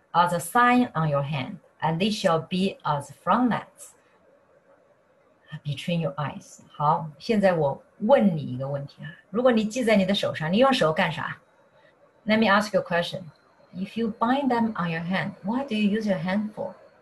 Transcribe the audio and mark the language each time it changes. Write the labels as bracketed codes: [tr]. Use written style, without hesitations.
[en] as a sign on your hand, and they shall be as frontlets between your eyes. [zh] 好，现在我问你一个问题啊，如果你系在你的手上，你用手干啥？ [en] Let me ask you a question. If you bind them on your hand, what do you use your hand for?